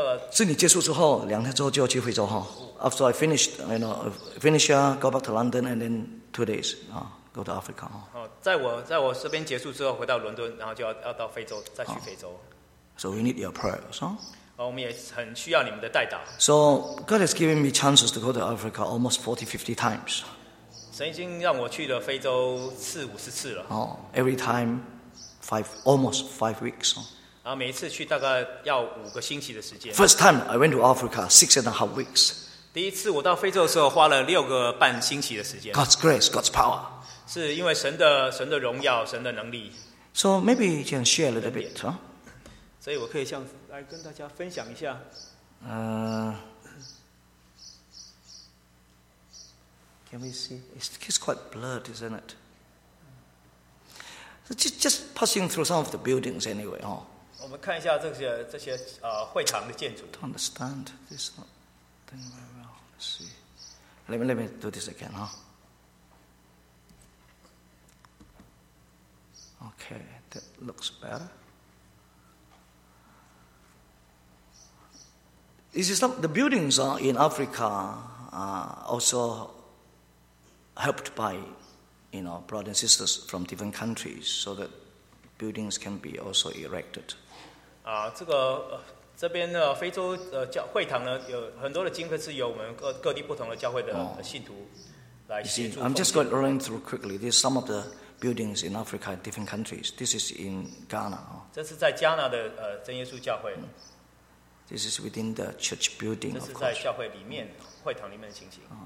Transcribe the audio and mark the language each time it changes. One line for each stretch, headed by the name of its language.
Chinese: 是你结束之后，两天之后就要去非洲哈。
English: After I finished, you know, finish here, go back to London, and then 2 days, go to Africa.
Chinese: 在我这边结束之后，回到伦敦，然后就要到非洲，再去非洲。
English: So we need your prayers, huh?
Chinese: 我们也很需要你们的代祷。
English: So God has given me chances to go to Africa almost 40-50 times.
Chinese: 神已经让我去了非洲40-50次了。
English: Every time, almost five weeks.
Chinese: 然后每一次去大概要5个星期的时间。
English: First time I went to Africa, 6.5 weeks.
Chinese: 第一次我到非洲的时候花了6.5个星期的时间。
English: God's grace, God's power.
Chinese: 是因为神的荣耀，神的能力。
English: So maybe you can share a little bit, huh?
Chinese: 所以我可以像来跟大家分享一下。
English: Can we see? It's quite blurred, isn't it? So just passing through some of the buildings anyway, huh?
Chinese: 我们看一下这些会场的建筑。
English: To understand this, not doing very well. Let's see. Let me do this again, huh? Okay, that looks better. This is the buildings in Africa also helped by, you know, brothers and sisters from different countries, so that buildings can be also erected.
Chinese: 这个这边的非洲教会堂呢，有很多的经费是由我们各地不同的教会的信徒来协助。
English: You see, I'm just going to run through quickly. These are some of the buildings in Africa, in different countries. This is in Ghana.
Chinese: 这是在加纳的真耶稣教会。
English: This is within the church building.
Chinese: 这是在教会里面会堂里面的情形。